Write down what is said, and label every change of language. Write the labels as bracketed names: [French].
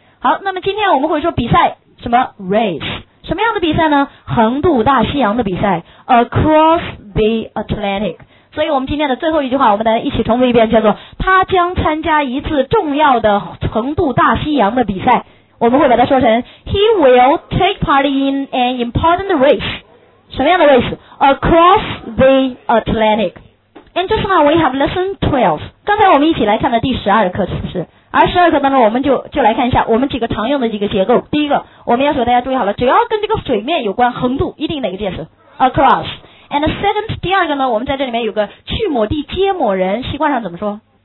[Chinese] 好，那么今天我们会说比赛，什么 race， 什么样的比赛呢？横渡大西洋的比赛， across the Atlantic。所以我们今天的最后一句话，我们来一起重复一遍，叫做他将参加一次重要的横渡大西洋的比赛。 [English] 我们会把它说成 He will take part in an important race。什么样的 race？ Across the Atlantic。 And just now we have lesson 12，刚才我们一起来看的第十二课，是不是？ [Chinese] 而十二课当中，我们就来看一下我们几个常用的几个结构。第一个，我们要求大家注意好了，只要跟这个水面有关，横渡一定哪个介词？ [English] Across。 [Chinese] And second，第二个呢，我们在这里面有个去某地接某人，习惯上怎么说？